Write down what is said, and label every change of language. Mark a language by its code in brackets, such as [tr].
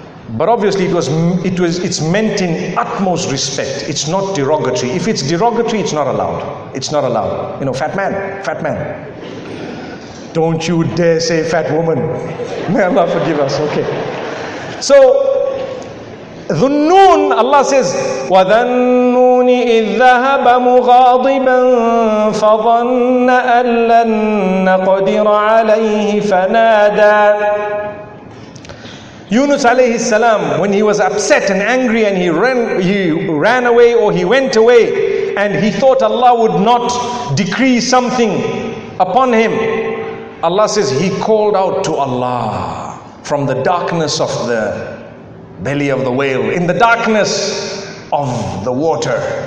[en] But obviously, it's meant in utmost respect. It's not derogatory. If it's derogatory, it's not allowed. It's not allowed. You know, fat man, fat man. Don't you dare say fat woman. May Allah forgive us. Okay. So, Dhunnun, Allah says, [ar] وَذَنُّونِ إِذْ ذَهَبَ مُغَاضِبًا فَظَنَّ أَلَّنَّ قَدِرَ عَلَيْهِ فَنَادَى. [en] Yunus alayhi salam, when he was upset and angry and he ran away or he went away and he thought Allah would not decree something upon him, Allah says he called out to Allah from the darkness of the belly of the whale, in the darkness of the water.